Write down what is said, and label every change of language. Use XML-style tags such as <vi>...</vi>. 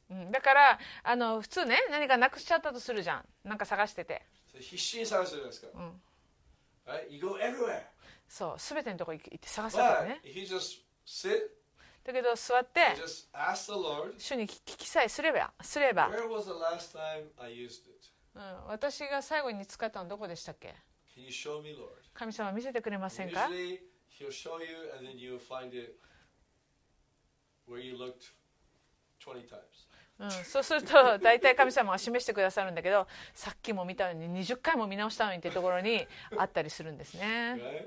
<ja>だからあの普通ね何かなくしちゃったとするじゃん。何か探してて、</ja> <en>so,</en> <ja>必死に探すじゃないですか。</ja> <en>Right? You go everywhere.</en> <ja>そう、すべてのところ行って探すんだよね。</ja> <en>But he just sit,</en> <ja>だけど座って、</ja> <en>just ask the Lord,</en> <ja>主に聞きさえすれば、すれば。</ja> <en>Where was the last time I used it?</en> <ja>私が最後に使ったのどこでしたっけ？</ja> <en>Can you show me, Lord?</en> <ja>神様見せてくれませんか？</ja> <en>Usually he'll show you and then you'll find it where you looked 20 times.</en> <ja>そうすると大体神様が示してくださるんだけどさっきも見たのに20回も見直したのにってところにあったりするんですね。</ja>